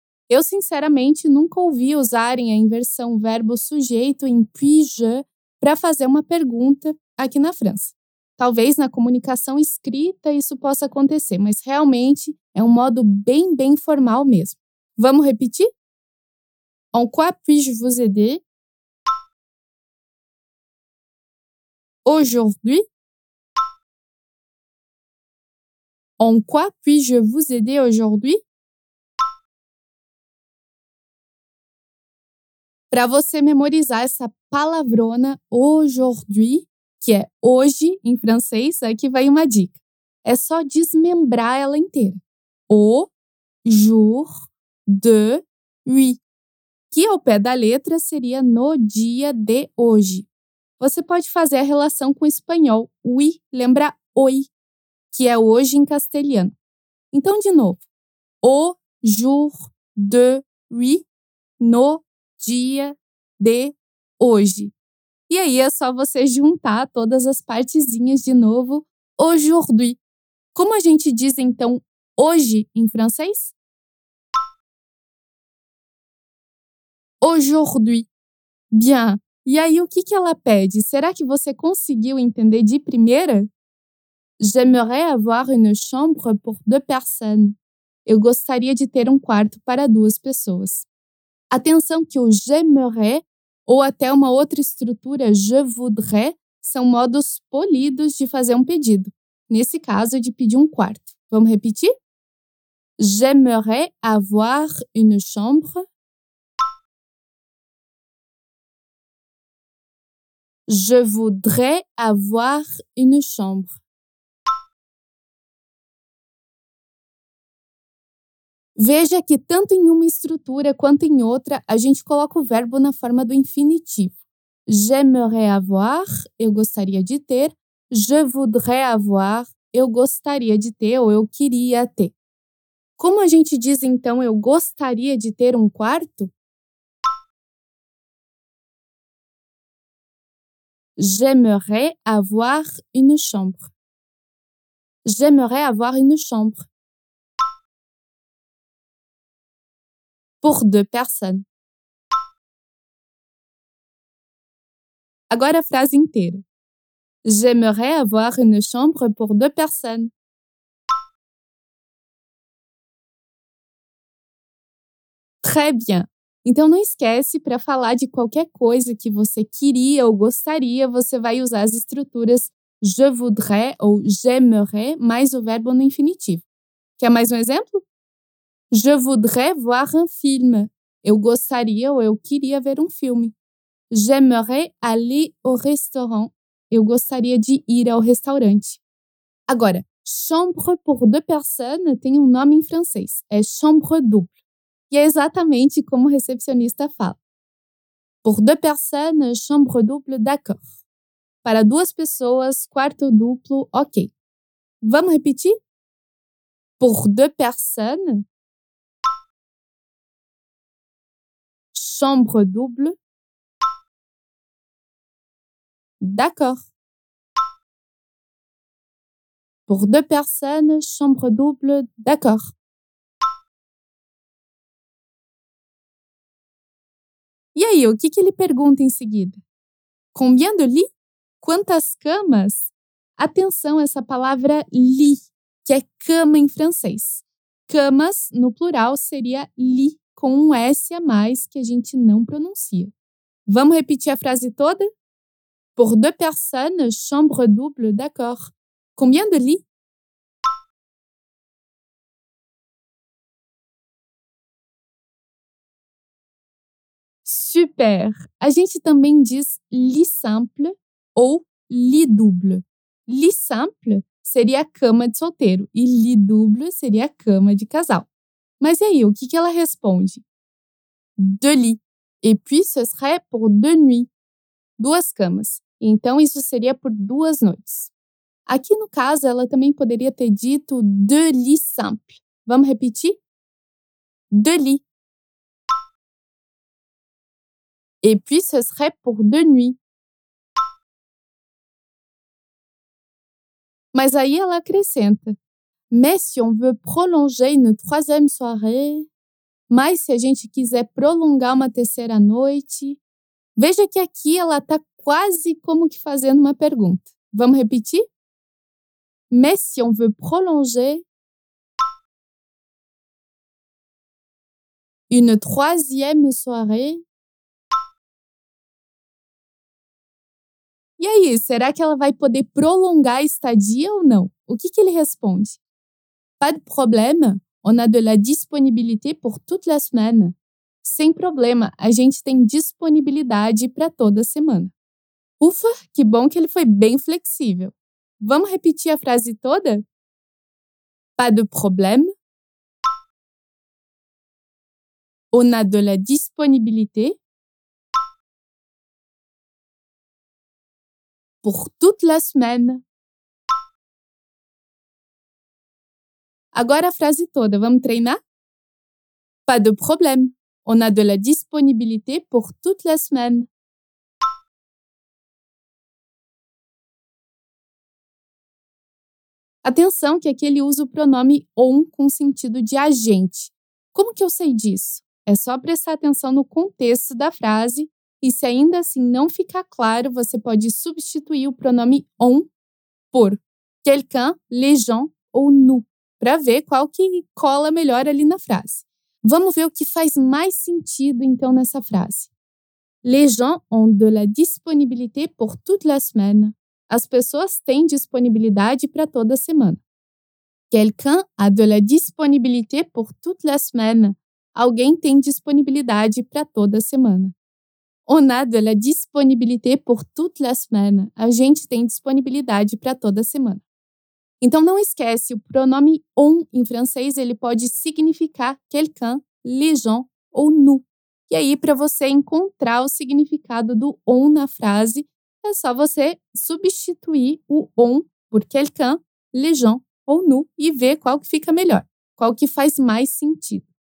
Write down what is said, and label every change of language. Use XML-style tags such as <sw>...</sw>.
<pt>Eu, sinceramente, nunca ouvi usarem a inversão verbo sujeito em puis-je para fazer uma pergunta aqui na França. Talvez na comunicação escrita isso possa acontecer, mas realmente é um modo bem, bem formal mesmo. Vamos repetir?</pt> <fr>En quoi puis-je vous aider? Aujourd'hui? En quoi puis-je vous aider aujourd'hui?</fr> <pt>Para você memorizar essa palavrona aujourd'hui, que é hoje em francês, aqui vai uma dica. É só desmembrar ela inteira.</pt> <fr>Au jour de hui,</fr> <pt>que ao pé da letra seria no dia de hoje. você pode fazer a relação com o espanhol. Oui lembra oi, que é hoje em castelhano. Então, de novo.</pt> <fr>Au jour de oui,</fr> <pt>no dia de hoje. E aí é só você juntar todas as partezinhas de novo. Aujourd'hui. Como a gente diz, então, hoje em francês?</pt> <fr>Aujourd'hui. Bien.</fr> <pt>E aí, o que que ela pede? Será que você conseguiu entender de primeira?</pt> <fr>J'aimerais avoir une chambre pour deux personnes.</fr> <pt>Eu gostaria de ter um quarto para duas pessoas. Atenção que o j'aimerais, ou até uma outra estrutura, je voudrais, são modos polidos de fazer um pedido. Nesse caso, de pedir um quarto. Vamos repetir?</pt> <fr>J'aimerais avoir une chambre. Je voudrais avoir une chambre.</fr> <pt>Veja que tanto em uma estrutura quanto em outra, a gente coloca o verbo na forma do infinitivo.</pt> <fr>J'aimerais avoir,</fr> <pt>eu gostaria de ter.</pt> <fr>Je voudrais avoir,</fr> <pt>eu gostaria de ter ou eu queria ter. Como a gente diz, então, eu gostaria de ter um quarto?</pt> <fr>J'aimerais avoir une chambre. J'aimerais avoir une chambre. Pour deux personnes. Agora a frase inteira. J'aimerais avoir une chambre pour deux personnes. Très bien.</fr> <pt>Então, não esquece, para falar de qualquer coisa que você queria ou gostaria, você vai usar as estruturas je voudrais ou j'aimerais mais o verbo no infinitivo. Quer mais um exemplo?</pt> <fr>Je voudrais voir un film.</fr> <pt>Eu gostaria ou eu queria ver um filme.</pt> <fr>J'aimerais aller au restaurant.</fr> <pt>Eu gostaria de ir ao restaurante. Agora,</pt> <fr>chambre pour deux personnes</fr> <pt>tem um nome em francês. É chambre double. E é exatamente como o recepcionista fala.</pt> <fr>Pour deux personnes, chambre double, d'accord.</fr> <pt>Para duas pessoas, quarto duplo, ok. Vamos repetir?</pt> <fr>Pour deux personnes, chambre double, d'accord. Pour deux personnes, chambre double, d'accord.</fr> <pt>E aí, o que ele pergunta em seguida?</pt> <fr>Combien de lits?</fr> <pt>Quantas camas? Atenção, essa palavra lit, que é cama em francês. Camas, no plural, seria lit, com um S a mais que a gente não pronuncia. Vamos repetir a frase toda?</pt> <fr>Pour deux personnes, chambre double, d'accord. Combien de lits? Super!</fr> <pt>A gente também diz</pt> <fr>lit simple ou lit double.</fr> <pt>Lit simple seria a cama de solteiro e lit double seria a cama de casal. Mas e aí, o que ela responde?</pt> <fr>Deux lits. Et puis, ce serait pour deux nuits.</fr> <pt>Duas camas. Então, isso seria por duas noites. Aqui, no caso, ela também poderia ter dito</pt> <fr>deux lits simples.</fr> <pt>Vamos repetir?</pt> <fr>Deux lits. Et puis, ce serait pour deux nuits.</fr> <pt>Mas aí ela acrescenta.</pt> <fr>Mais si on veut prolonger une troisième soirée.</fr> <pt>Mas se a gente quiser prolongar uma terceira noite. Veja que aqui ela está quase como que fazendo uma pergunta. Vamos repetir?</pt> <fr>Mais si on veut prolonger une troisième soirée.</fr> <pt>E aí, será que ela vai poder prolongar a estadia ou não? O que ele responde?</pt> <fr>Pas de problème, on a de la disponibilité pour toute la semaine.</fr> <pt>Sem problema, a gente tem disponibilidade para toda semana. Ufa, que bom que ele foi bem flexível. Vamos repetir a frase toda?</pt> <fr>Pas de problème, on a de la disponibilité. pour toute la semaine.</fr> <pt>Agora a frase toda, vamos treinar?</pt> <fr>Pas de problème. On a de la disponibilité pour toute la semaine.</fr> <pt>Atenção que aqui ele usa o pronome on com sentido de agente. Como que eu sei disso? É só prestar atenção no contexto da frase e se ainda assim não ficar claro, você pode substituir o pronome on por</pt> <fr>quelqu'un, les gens ou nous,</fr> <pt>para ver qual que cola melhor ali na frase. Vamos ver o que faz mais sentido, então, nessa frase.</pt> <fr>Les gens ont de la disponibilité pour toute la semaine.</fr> <pt>As pessoas têm disponibilidade para toda semana.</pt> <fr>Quelqu'un a de la disponibilité pour toute la semaine.</fr> <pt>Alguém tem disponibilidade para toda semana.</pt> <fr>On a de la disponibilité pour toute la semaine.</fr> <pt>A gente tem disponibilidade para toda semana. Então, não esquece, o pronome on em francês, ele pode significar</pt> <fr>quelqu'un, les gens ou nous.</fr> <pt>E aí, para você encontrar o significado do on na frase, é só você substituir o on por</pt> <fr>quelqu'un, les gens ou nous</fr> <pt>e ver qual que fica melhor, qual que faz mais sentido.</pt>